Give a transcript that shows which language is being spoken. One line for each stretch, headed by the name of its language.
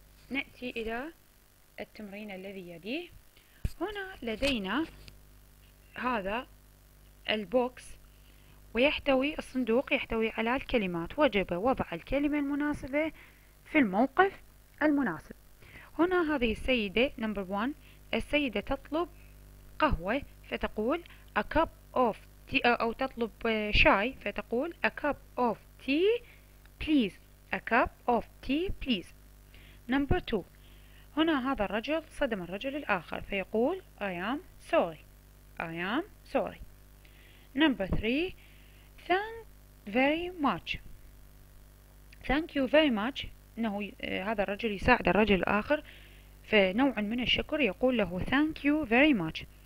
Arabic: نأتي إلى التمرين الذي يليه. هنا لدينا هذا البوكس ويحتوي الصندوق يحتوي على الكلمات، وجب وضع الكلمة المناسبة في الموقف المناسب. هنا هذه السيدة
English: number one.
Arabic: السيدة تطلب قهوة فتقول
English: a cup of tea،
Arabic: أو تطلب شاي فتقول
English: a cup of tea please. A cup of tea please. Number two.
Arabic: هنا هذا الرجل صدم الرجل الآخر فيقول
English: I am sorry. I am sorry. Number three. Thank very much. Thank you very much.
Arabic: إنه هذا الرجل يساعد الرجل الآخر فنوع من الشكر، يقول له
English: thank you very much.